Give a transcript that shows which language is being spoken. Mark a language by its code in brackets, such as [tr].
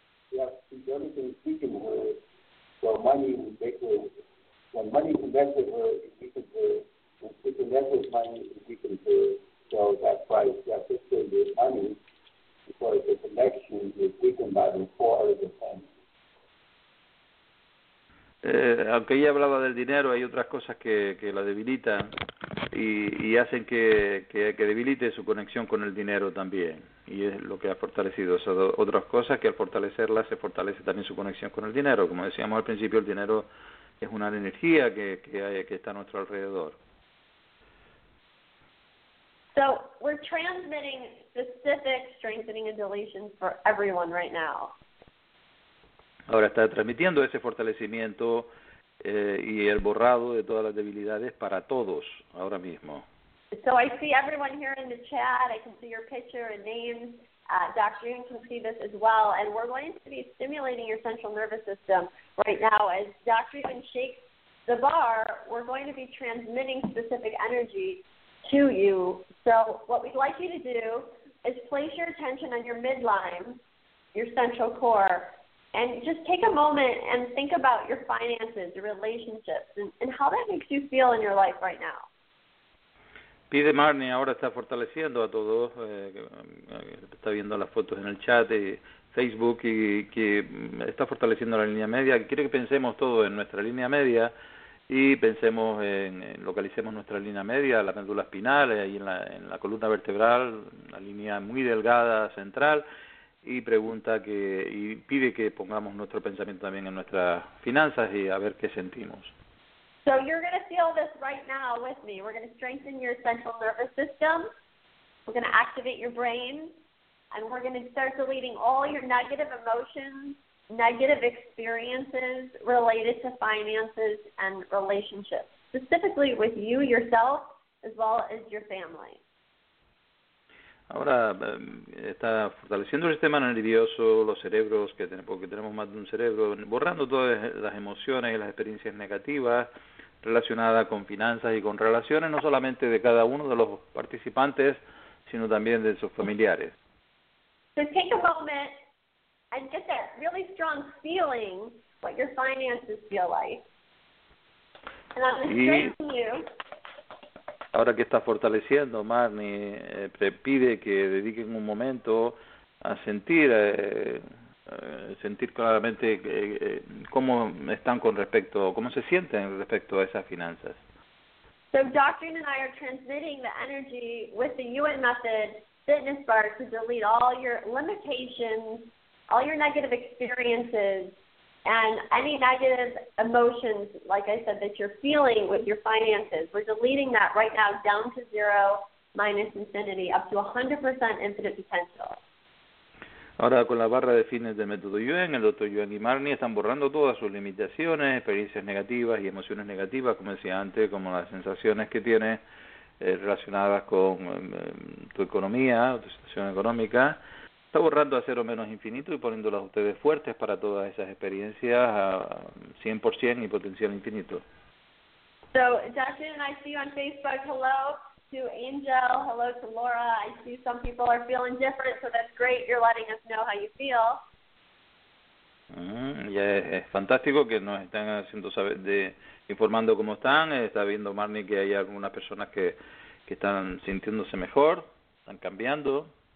[en] The only thing speaking to her, so money would make her, when money connects with her, if we can do it, and she connects with money, if we can do it, so that's why she has to say there's money, because the connection is taken by the 400%. [es] Aunque ella hablaba del dinero, hay otras cosas que la debilitan y hacen que debilite su conexión con el dinero también. Y es lo que ha fortalecido esas otras cosas, que al fortalecerlas se fortalece también su conexión con el dinero. Como decíamos al principio, el dinero es una energía que está a nuestro alrededor. [en] So we're transmitting specific strengthening and deletions for everyone right now. [es] Ahora está transmitiendo ese fortalecimiento y el borrado de todas las debilidades para todos ahora mismo. [en] So I see everyone here in the chat. I can see your picture and names. Dr. Yuen can see this as well. And we're going to be stimulating your central nervous system right now. As Dr. Yuen shakes the bar, we're going to be transmitting specific energy to you. So what we'd like you to do is place your attention on your midline, your central core, and just take a moment and think about your finances, your relationships, and how that makes you feel in your life right now. [es] Pide Marni ahora está fortaleciendo a todos, está viendo las fotos en el chat y Facebook, y que está fortaleciendo la línea media. Quiere que pensemos todo en nuestra línea media y pensemos en localicemos nuestra línea media, la médula espinal, ahí en la columna vertebral, la línea muy delgada, central. Y pregunta que y pide que pongamos nuestro pensamiento también en nuestras finanzas y a ver qué sentimos. [en] So you're going to feel this right now with me. We're going to strengthen your central nervous system. We're going to activate your brain. And we're going to start deleting all your negative emotions, negative experiences related to finances and relationships, specifically with you, yourself, as well as your family. [es] Ahora está fortaleciendo el sistema nervioso, los cerebros, que tenemos, porque tenemos más de un cerebro, borrando todas las emociones y las experiencias negativas relacionadas con finanzas y con relaciones, no solamente de cada uno de los participantes, sino también de sus familiares. [en] So take a moment and get that really strong feeling what your finances feel like. And I'm encouraging you. [es] Ahora que está fortaleciendo, Marnie pide que dediquen un momento a sentir claramente cómo están con respecto, cómo se sienten respecto a esas finanzas. [en] So Doctrine and I are transmitting the energy with the UN Method Fitness Bar to delete all your limitations, all your negative experiences, and any negative emotions, like I said, that you're feeling with your finances. We're deleting that right now down to zero, minus infinity, up to 100% infinite potential. [es] Ahora con la barra de fitness del método Yuen, el Dr. Yuen y Marnie están borrando todas sus limitaciones, experiencias negativas y emociones negativas, como decía antes, como las sensaciones que tiene relacionadas con tu economía, tu situación económica. Está borrando a cero menos infinito y poniéndolas ustedes fuertes para todas esas experiencias a 100% y potencial infinito. [en] So, Justin, and I see you on Facebook. Hello to Angel. Hello to Laura. I see some people are feeling different, so that's great. You're letting us know how you feel. [es] Es fantástico que nos están haciendo saber, informando cómo están. Está viendo Marnie que hay algunas personas que están sintiéndose mejor, están cambiando.